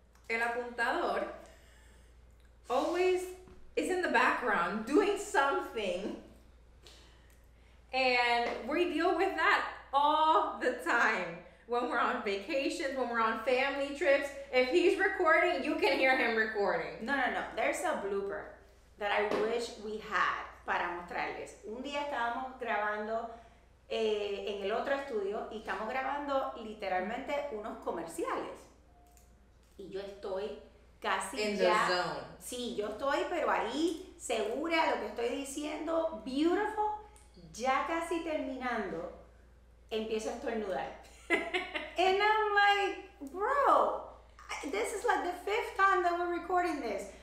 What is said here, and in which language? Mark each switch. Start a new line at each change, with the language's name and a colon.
English: El apuntador always is in the background doing something, and we deal with that all the time when we're on vacations, when we're on family trips. If he's recording, you can hear him recording. No, no, no. There's a blooper that I wish we had
Spanish: para mostrarles. Un día estábamos grabando en el otro estudio y estamos grabando literalmente unos comerciales. Y yo estoy casi
English: in
Spanish: ya.
English: The zone.
Spanish: Sí, yo estoy, pero ahí, segura de lo que estoy diciendo, beautiful, ya casi terminando, empiezo a estornudar.
English: And I'm like, bro, this is like the fifth time that we're recording this.